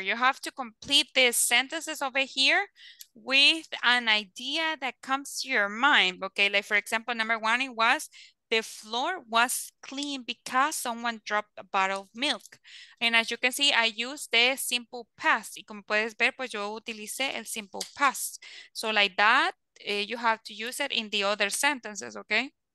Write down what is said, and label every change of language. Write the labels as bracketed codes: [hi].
[en] You have to complete these sentences over here with an idea that comes to your mind. Okay, like for example, number one, it was the floor was clean because someone dropped a bottle of milk. And as you can see, I used the simple past. [es] Y como puedes ver, pues yo utilicé el simple past. [en] So like that, you have to use it in the other sentences, okay?